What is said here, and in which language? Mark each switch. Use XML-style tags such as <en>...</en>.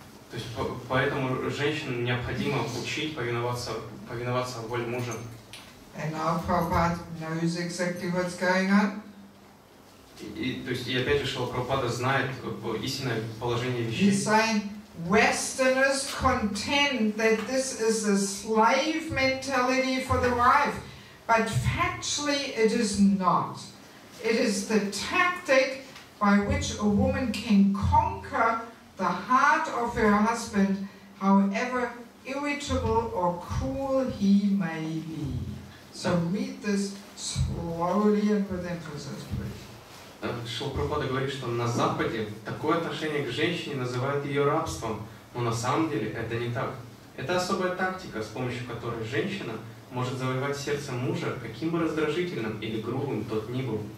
<ru>То есть поэтому женщинам необходимо учить повиноваться воле мужа.</ru> <en>And now Prabhupada knows exactly what's going on.</en> <ru>И опять же, Шилапрабхупада знает истинное положение вещей.</ru> <en>He's saying, Westerners contend that this is a slave mentality for the wife, but factually it is not. It is the tactic by which a woman can conquer the heart of her husband, however irritable or cruel he may be. So read this slowly and with emphasis, please.</en> <ru>Шилапрабхупада говорит, что на Западе такое отношение к женщине называют ее рабством, но на самом деле это не так. Это особая тактика, с помощью которой женщина может завоевать сердце мужа, каким бы раздражительным или грубым тот ни был.</ru>